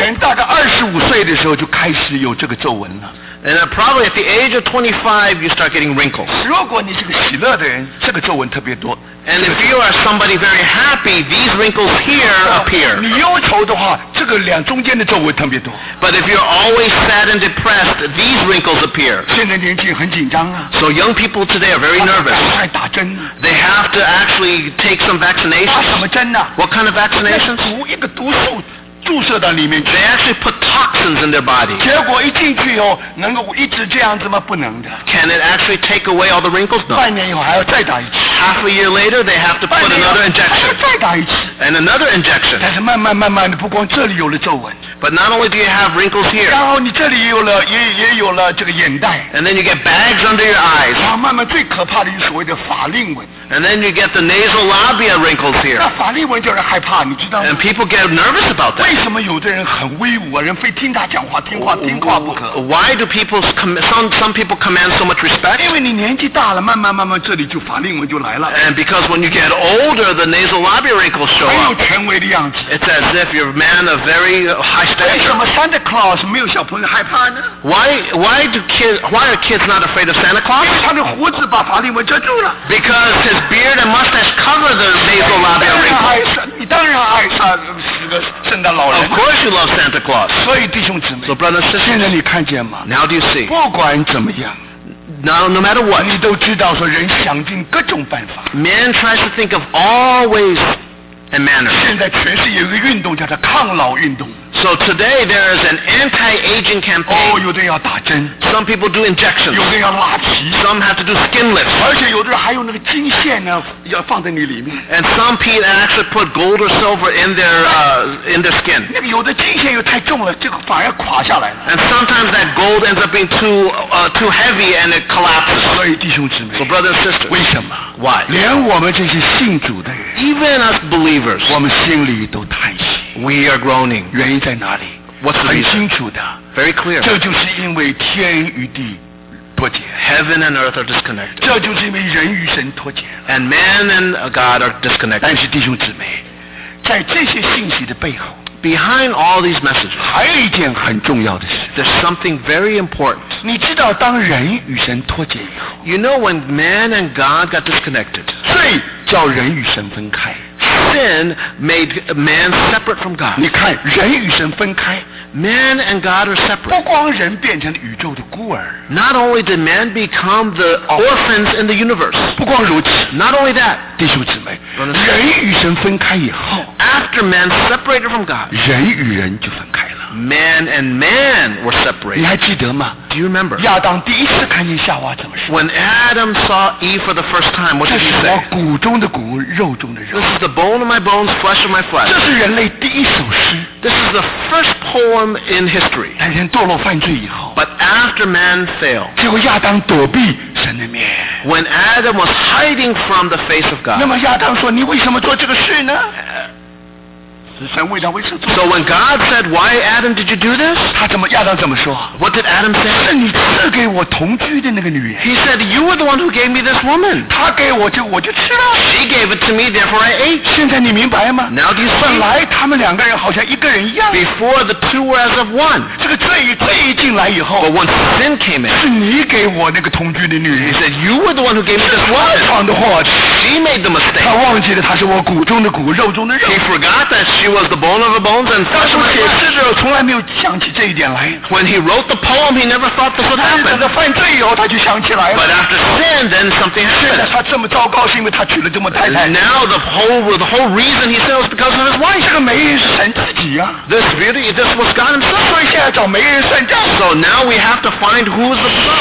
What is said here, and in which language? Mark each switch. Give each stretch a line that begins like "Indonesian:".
Chinese: 人大概二十五岁的时候就开始有这个皱纹了。
English: And probably at the age of 25, you start getting wrinkles.
Chinese: 如果你是个喜乐的人，这个皱纹特别多。
English: And if you are somebody very happy, these wrinkles here appear.
Chinese: 你忧愁的话，这个两中间的皱纹特别多。
English: But if you're always sad and depressed, these wrinkles appear.
Chinese: 现在年轻很紧张啊。
English: So young people today are very nervous.
Chinese: 赶快打针。
English: They have to actually take some vaccinations.
Chinese: 打什么针呢？
English: What kind of vaccinations?
Chinese: 毒，一个毒素。注射到里面去。
English: They actually put toxins in their body.
Chinese: 结果一进去以后，能够一直这样子吗？不能的。
English: Can it actually take away all the wrinkles? No.
Chinese: 半年以后还要再打一次。
English: Half a year later, they have to put another injection.
Chinese: 还要再打一次。
English: And another injection.
Chinese: 但是慢慢慢慢的，不光这里有了皱纹。
English: But not only do you have wrinkles here.
Chinese: 然后你这里也有了这个眼袋。
English: And then you get bags under your eyes.
Chinese: 然后慢慢最可怕的就是所谓的法令纹。
English: And then you get the nasal labia wrinkles here.
Chinese: 那法令纹叫人害怕，你知道吗？
English: And people get nervous about that.
Chinese: 为什么有的人很威武啊？人非听他讲话，听话听话不可。
English: Why do people some people command so much respect?
Chinese: 因为你年纪大了，慢慢慢慢这里就法令纹就来了。
English: And because when you get older, the nasal labia wrinkles show up.
Chinese: 很有权威的样子。
English: It's as if you're a man of very high stature.
Chinese: 为什么 Santa Claus 没有小朋友害怕呢？
English: Why are kids not afraid of Santa Claus?
Chinese: 因为他的胡子把法令纹遮住了。
English: Because his beard and mustache cover the nasal labia wrinkles.
Chinese: 你当然爱撒圣诞老人。
English: Of course you love Santa Claus.
Chinese: 所以弟兄姊妹。
English: So brothers,
Chinese: 现在你看见吗？
English: Now do you see?
Chinese: 不管怎么样。
English: Now, no matter what.
Chinese: 你都知道说人想尽各种办法。
English: Man tries to think of all ways and manners.
Chinese: 现在全世界有一个运动叫做抗老运动。
English: So today there is an anti-aging campaign.
Chinese: 哦，有的要打针。
English: Some people do injections.
Chinese: 有的要拉皮。
English: Some have to do skin lifts.
Chinese: 而且有的还有那个金线呢，要放在你里面。
English: And some people actually put gold or silver in their skin.
Chinese: 那个有的金线又太重了，这个反而垮下来了。
English: And sometimes that gold ends up being too heavy and it collapses.
Chinese: 所以弟兄姊妹。
English: So brothers and sisters.
Chinese: 为什么？
English: Why?
Chinese: 连我们这些信主的人。
English: Even us believers.
Chinese: 我们心里都叹息。
English: We are groaning.
Chinese: 原因在哪里？
English: What's the reason?
Chinese: 很清楚的。
English: Very clear.
Chinese: 这就是因为天与地脱节。
English: Heaven and earth are disconnected.
Chinese: 这就是因为人与神脱节。
English: And man and God are disconnected.
Chinese: 但是弟兄姊妹，在这些信息的背后，
English: Behind all these messages,
Chinese: 还有一件很重要的事。
English: There's something very important.
Chinese: 你知道当人与神脱节以后，
English: You know when man and God got disconnected,
Chinese: 罪叫人与神分开。
English: Sin made man separate from God.
Chinese: 你看，人与神分开。
English: Man and God are separate.
Chinese: 不光人变成宇宙的孤儿。
English: Not only did man become the orphans in the universe.
Chinese: 不光如此。
English: Not only that.
Chinese: 弟兄姊妹，人与神分开以后。
English: After man separated from God.
Chinese: 人与人就分开了。
English: Man and man were separated.
Chinese: 你还记得吗？
English: Do you remember?
Chinese: 亚当第一次看见夏娃怎么说？
English: When Adam saw Eve for the first time, what did he say?
Chinese: 这是我骨中的骨，肉中的肉。
English: This is the bone of my bones, flesh of my flesh.
Chinese: 这是人类第一首诗。
English: This is the first poem in history.
Chinese: 但人堕落犯罪以后。
English: But after man failed.
Chinese: 结果亚当躲避神的面。
English: When Adam was hiding from the face of God.
Chinese: 那么亚当说，你为什么做这个事呢？
English: So when God said, why Adam did you do this?
Chinese: 他怎么亚当怎么说？
English: What did Adam say?
Chinese: 是你赐给我同居的那个女人。
English: He said, you were the one who gave me this woman.
Chinese: 他给我就我就吃了。
English: She gave it to me, therefore I ate.
Chinese: 现在你明白吗？
English: Now do you see?
Chinese: 本来他们两个人好像一个人一样。
English: Before the two were as of one.
Chinese: 这个罪一进来以后。
English: But when sin came in.
Chinese: 是你给我那个同居的女人。
English: He said, you were the one who gave me this woman.
Chinese: 是他闯的祸。
English: She made the mistake.
Chinese: 他忘记了她是我骨中的骨，肉中的肉。
English: He forgot that she was the bone of the bones and flesh of my flesh.
Chinese: 但是我写诗从来没有想起这一点来。
English: When he wrote the poem, he never thought this would happen.
Chinese: 但是他犯罪以后，他就想起来了。
English: But after sin, then something happened.
Chinese: 现在他这么糟糕，是因为他娶了这么太太。
English: Now the whole reason he said was because of his wife.
Chinese: 这个媒人是神自己啊。
English: This was God himself.
Chinese: 所以现在找媒人算账。
English: So now we have to find who's the bone.